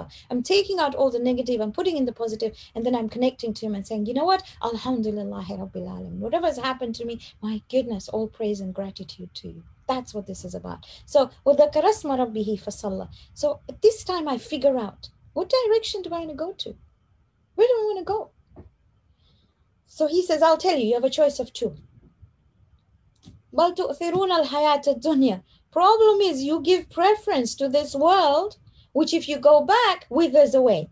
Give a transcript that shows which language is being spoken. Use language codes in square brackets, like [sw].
[en] I'm taking out all the negative, I'm putting in the positive, and then I'm connecting to him and saying, you know what? [ar] Alhamdulillah, Rabbil Alamin. [en] Whatever has happened to me, my goodness, all praise and gratitude to you. That's what this is about. [ar] So, وَذَكَرَسْمَ رَبِّهِ فَصَلَّى. [en] So, at this time, I figure out, what direction do I want to go to? Where do I want to go? So he says, I'll tell you, you have a choice of two. [ar] بَلْ تُؤْثِرُونَ الْحَيَاةَ الدُّنْيَا. [en] Problem is, you give preference to this world, which if you go back, withers away.